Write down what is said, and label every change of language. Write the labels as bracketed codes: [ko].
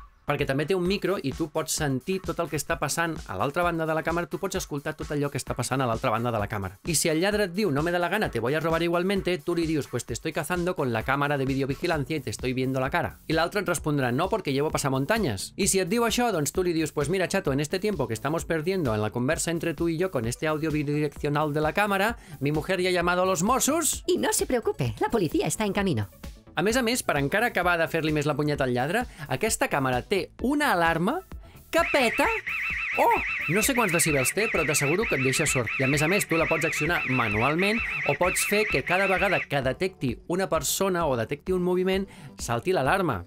[ca] Perquè també té un micro i tu pots sentir tot el que està passant a l'altra banda de la càmera, tu pots escoltar tot allò que està passant a l'altra banda de la càmera. I si el lladre et diu, [es] no me da la gana, te voy a robar igualmente, [ca] tu li dius, [es] pues te estoy cazando con la cámara de videovigilancia y te estoy viendo la cara. [ca] I l'altre et respondrà, [es] no, porque llevo pasamontañas. [ca] I si et diu això, doncs tu li dius, [es] pues mira, chato, en este tiempo que estamos perdiendo en la conversa entre tú y yo con este audio bidireccional de la cámara, mi mujer ya ha llamado a los Mossos... Y no se preocupe, la policía está en camino. [ca] A més, per encara acabar de fer-li més la punyeta al lladre, aquesta càmera té una alarma que peta... Oh! No sé quants decibels té, però t'asseguro que et deixa sord. I a més, tu la pots accionar manualment o pots fer que cada vegada que detecti una persona o detecti un moviment, salti l'alarma.